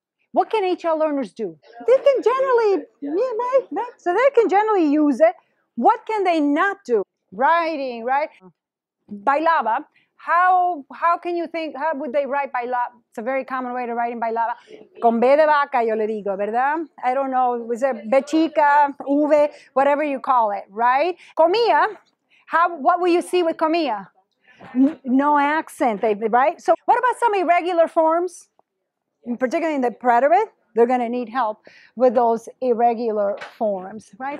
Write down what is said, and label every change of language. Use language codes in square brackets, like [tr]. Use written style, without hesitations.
[en] What can HL learners do? They can generally, yeah, right? So they can generally use it. What can they not do? Writing, right? Bailaba. How can you think, how would they write bailaba? It's a very common way to write in bailaba. [es] Con B de vaca, yo le digo, ¿verdad? [en] I don't know, was it B chica, V, whatever you call it, right? Comía, what will you see with comía? No accent, right? So what about some irregular forms? Particularly in the preterite, they're going to need help with those irregular forms, right?